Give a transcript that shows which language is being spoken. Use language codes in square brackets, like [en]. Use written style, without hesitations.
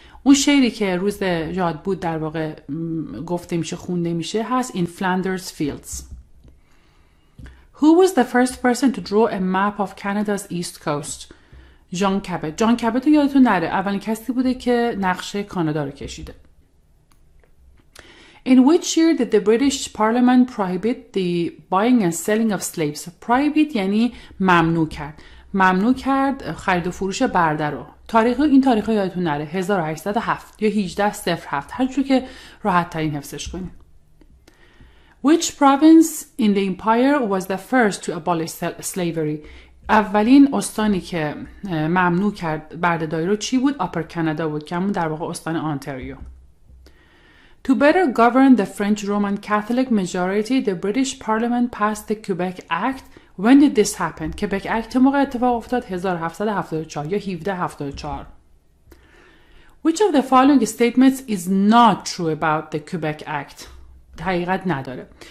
[fa] اون شعری که روز یاد بود در واقع گفته میشه خونده میشه هست In Flanders Fields. [en] Who was the first person to draw a map of Canada's east coast? John Cabot. [fa] John Cabot رو یادتون نره، اولین کسی بوده که نقشه کانادا رو کشیده. [en] In which year did the British Parliament prohibit the buying and selling of slaves? [fa] Prohibit یعنی ممنوع کرد. ممنوع کرد خرید و فروش برده رو. تاریخ این تاریخ یادتون نره 1807 یا 1807 هرچون که راحت ترین حفظش کنید. [en] Which province in the empire was the first to abolish slavery؟ [fa] اولین استانی که ممنوع کرد بردهداری رو چی بود؟ Upper Canada بود که همون در واقع استان آنتاریو. [en] To better govern the French Roman Catholic majority, the British Parliament passed the Quebec Act. When did this happen؟ Quebec Act [fa] موقع اتفاق افتاد 1774 یا 1774. [en] Which of the following statements is not true about the Quebec Act؟ [fa] حقیقت نداره.